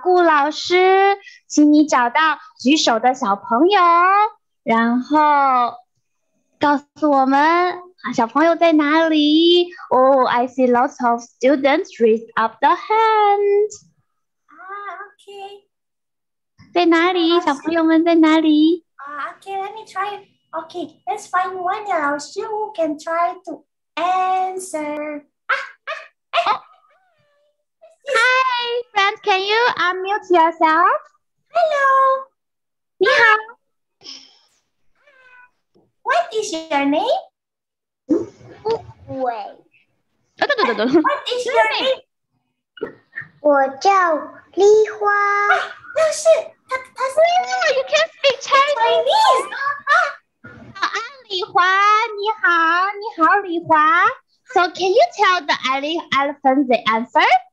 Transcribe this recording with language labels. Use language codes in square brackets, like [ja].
[zh] 顾老师，请你找到举手的小朋友，然后告诉我们小朋友在哪里。 [en] Oh, I see lots of students raise up the hand. Okay. [zh] 在哪里？小朋友们在哪里？ [en] Okay, let me try. Okay, let's find one 呀，老师 who can try to answer. Hi, friend, can you unmute yourself? Hello. [zh] 你好。 [en] What is your name? [zh] 乌龟。 [en] What is your name? [zh] 我叫丽花。那是他是 [en] 丽花。You can speak Chinese. [zh] 早安，丽花，你好，你好，丽花。 [en] So can you tell the elephant the answer?